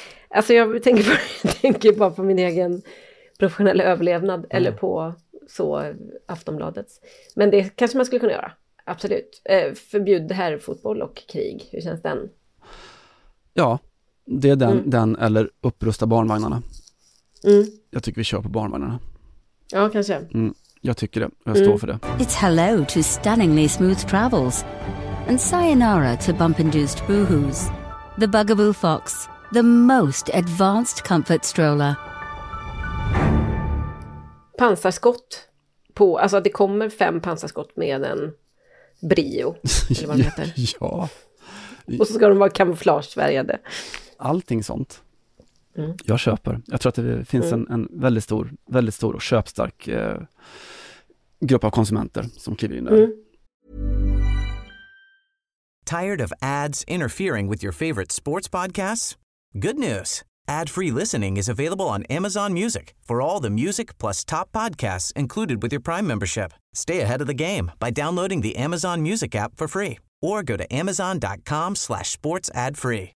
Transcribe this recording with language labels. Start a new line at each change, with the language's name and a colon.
Swedish: Alltså jag tänker bara på min egen professionella överlevnad, mm, eller på så Aftonbladets. Men det kanske man skulle kunna göra, absolut. Förbjud här fotboll och krig, hur känns den? Ja, det är den, mm, den eller upprusta barnvagnarna. Mm. Jag tycker vi kör på barnvagnarna. Ja, kanske. Mm. Jag tycker det. Jag står, mm, för det.
English: It's hello to stunningly smooth travels. And sayonara to bump-induced boohoos. The Bugaboo Fox. The most advanced comfort stroller.
Swedish: Pansarskott på... Alltså att det kommer fem pansarskott med en brio. Eller vad det heter. Ja. Och så ska de vara kamouflagefärgade. Allting sånt. Mm. Jag köper. Jag tror att det finns, mm, en väldigt stor och köpstark... grupp av konsumenter som kliver in där. Mm.
English: Tired of ads interfering with your favorite sports podcasts? Good news. Ad-free listening is available on Amazon Music for all the music plus top podcasts included with your Prime membership. Stay ahead of the game by downloading the Amazon Music app for free or go to amazon.com/sportsadfree.